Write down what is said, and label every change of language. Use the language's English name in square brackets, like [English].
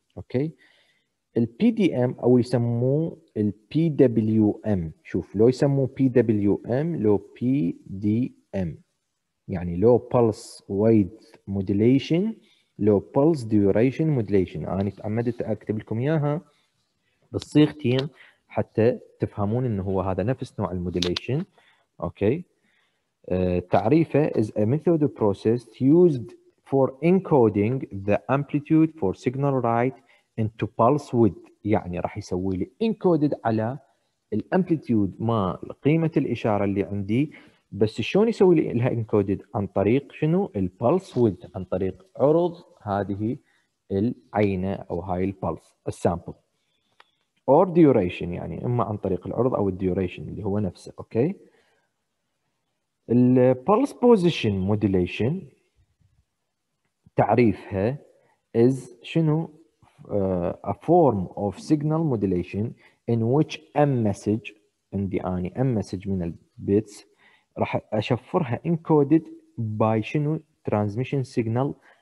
[Arabic] اوكي، البي دي ام او يسموه البي دبليو ام، شوف لو يسموه بي دبليو ام لو بي دي ام، يعني لو بلس ويد موديليشن لو بلس ديوريشن موديليشن. انا تعمدت اكتب لكم اياها بالصيغتين حتى تفهمون انه هو هذا نفس نوع الموديليشن. اوكي، تعريفه [English] is a method of process used for encoding the amplitude for signal right into pulse width، [Arabic] يعني راح يسوي لي [English] encoded [Arabic] على الامبليتيود ما قيمه الاشاره اللي عندي. بس شلون يسوي لي لها encoded؟ عن طريق شنو؟ البلس ويد، عن طريق عرض هذه العينه او هاي البلس السامبل [English] or duration، [Arabic] يعني اما عن طريق العرض او الديوريشن اللي هو نفسه. [English] okay, [Arabic] البلس بوزيشن موديليشن تعريفها از شنو؟ [English] a form of signal modulation in which m message، [Arabic] عندي اني [English] m message [Arabic] من البيتس راح اشفرها [English] encoded by [Arabic] شنو؟ [English] transmission signal